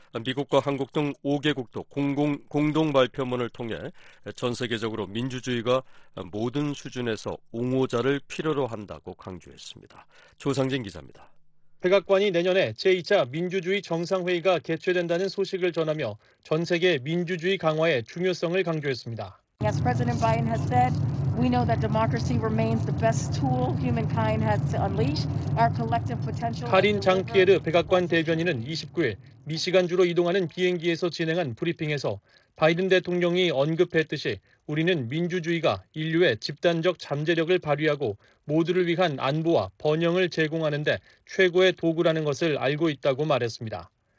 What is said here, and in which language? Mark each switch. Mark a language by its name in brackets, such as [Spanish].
[Korean] 미국과 한국 등 5개국도 공동 발표문을 통해 전 세계적으로 민주주의가 모든 수준에서 옹호자를 필요로 한다고 강조했습니다. 조상진 기자입니다. 백악관이 내년에 제2차 민주주의 정상회의가 개최된다는 소식을 전하며 전 세계 민주주의 강화의 중요성을 강조했습니다. [English] Yes, President Biden has said We know that democracy remains the best tool humankind has to unleash our collective potential. [Korean] 카린 장피에르 백악관 대변인은 29일 미시간 주로 이동하는 비행기에서 진행한 브리핑에서 바이든 대통령이 언급했듯이 우리는 민주주의가 인류의 집단적 잠재력을 발휘하고 모두를 위한 안보와 번영을 제공하는 데 최고의 도구라는 것을 알고 있다고 말했습니다.